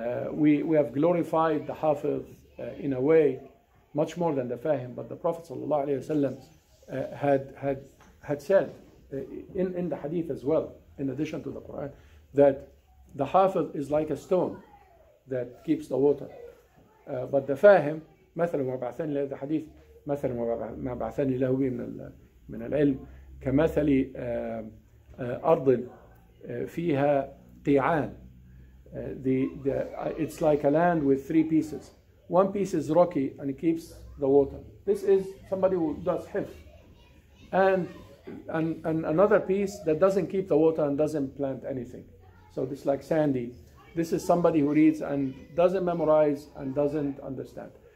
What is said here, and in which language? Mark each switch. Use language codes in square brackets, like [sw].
[en] We have glorified the hafiz in a way much more than the fahim. But the Prophet sallallahu alaihi wasallam had said in the hadith as well, in addition to the Quran, that the hafiz is like a stone that keeps the water. But the fahim, [ar] مثل ما بعثني له, [en] the hadith, [ar] مثل ما بعثني له من العلم كمثل أرض فيها قيعان. [en] It's like a land with three pieces. One piece is rocky and it keeps the water. This is somebody who does hifz. And another piece that doesn't keep the water and doesn't plant anything. So it's like sandy. This is somebody who reads and doesn't memorize and doesn't understand.